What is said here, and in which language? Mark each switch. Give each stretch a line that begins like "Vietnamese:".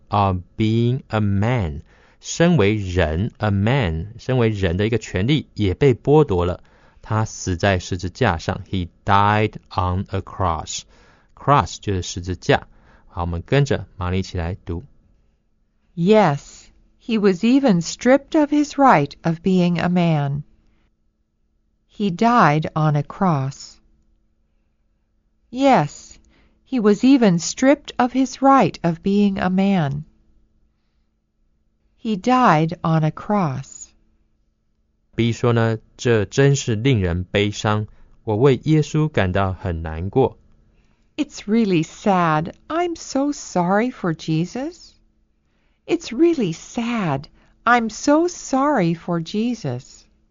English: of being a man，
Chinese: 身为人， a man， 身为人的一个权利也被剥夺了。他死在十字架上，
English: He died on a cross，
Chinese: cross 就是十字架。好，我们跟着玛丽一起来读。
English: Yes， he was even stripped of his right of being a man. He died on a cross. Yes， he was even stripped of his right of being a man. He died on a cross.
Chinese: B 说呢，这真是令人悲伤，我为耶稣感到很难过。
English: It's really sad. I'm so sorry for Jesus. It's really sad. I'm so sorry for Jesus.